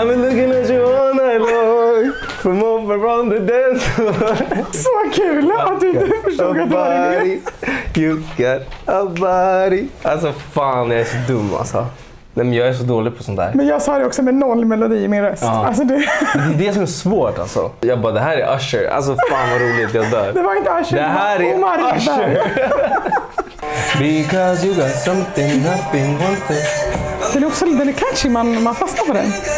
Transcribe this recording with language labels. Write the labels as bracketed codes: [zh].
[en] I'm looking at you all night long. From over on the dance floor. [sv] Så kul att du förstod att du var i det. [en] You got a body. [sv] Alltså fan, jag är så dum alltså. Nej men jag är så dålig på sånt där. Men jag sa det också med noll melodi i min röst. Ja. Alltså det är det som är svårt alltså. Jag bara, det här är Usher. Alltså fan vad roligt, jag dör. Det var inte Usher. Det här är Usher. Because [en] you got something nothing wanted. [sv] Den är också lite catchy, man fastnar på den.